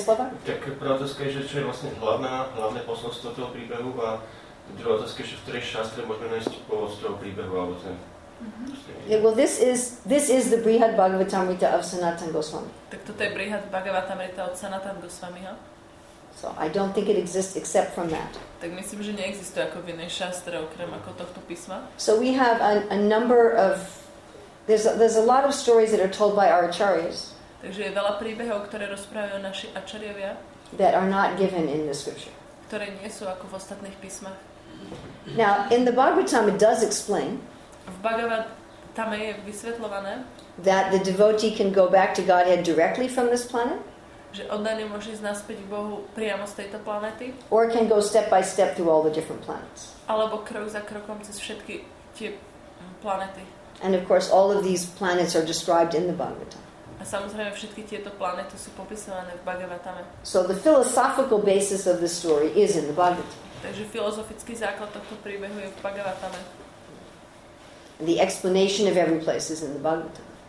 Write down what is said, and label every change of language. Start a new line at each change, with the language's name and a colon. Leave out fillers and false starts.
Slovak: Slovak? Tak prvá otázka je, že čo je vlastne hlavné posolstvo toho príbehu a druhá otázka je, že v ktorej šastre môžeme nájsť pôvod z toho príbehu alebo ten...
English: Yeah, well, this is the Brihad Bhagavatamrita of Sanatana Goswami.
Slovak: Tak toto je Brihad Bhagavatamrita od Sanatana Goswamiho?
English: So I don't think it exists except from that.
Slovak: Tak myslím, že neexistuje ako v inej šastre, okrem ako tohto písma.
English: So we have a number of... There's a lot of stories that are told by our acharyas.
Slovak: Takže je veľa príbehov, ktoré rozprávajú naši acharyovia.
English: That are not given in the scripture.
Slovak: Ktoré nie sú ako v ostatných písmach.
English: Now, in the Bhagavatam it does explain.
Slovak: V Bhagavatame je vysvetľované.
English: That the devotee can go back to Godhead directly from this planet.
Slovak: Že oddaný môže ísť naspäť k Bohu priamo z tejto planety.
English: Or can go step by step through all the different planets.
Slovak: Alebo krok za krokom cez všetky tie planety.
English: And of course all of these planets are described in the Bhagavatam.
Slovak: A samozrejme všetky tieto planety sú popisované v Bhagavatame.
English: So the philosophical basis of the story is in the Bhagavatam.
Slovak: Takže filozofický základ tohto príbehu je v Bhagavatame.
English: The explanation of every place is in the Bhagavatam.